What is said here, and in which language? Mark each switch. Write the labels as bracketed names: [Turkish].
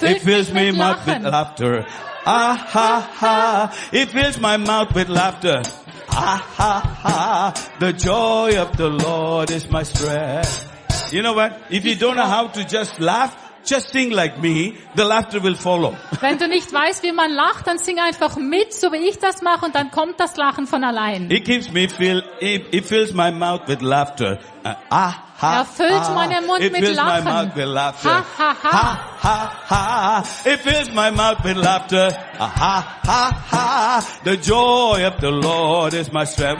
[English] It fills me mouth with laughter. Ah ha ha. It fills my mouth with laughter. Ah ha ha. The joy of the Lord is my strength. You know what? If you don't know how to just laugh, just sing like me, the laughter will follow. [German] Wenn du nicht weißt, wie man lacht, dann sing einfach mit, so wie ich das mache, und dann kommt das Lachen von allein. [English] It keeps me fill, it fills my mouth with laughter. Ah, ha, [German] er füllt meinen Mund mit [English] fills [German] Lachen. [English] My mouth with laughter. Ha, ha, ha. Ha, ha, ha. It fills my mouth with laughter. Ha, ha, ha. The joy of the Lord is my strength.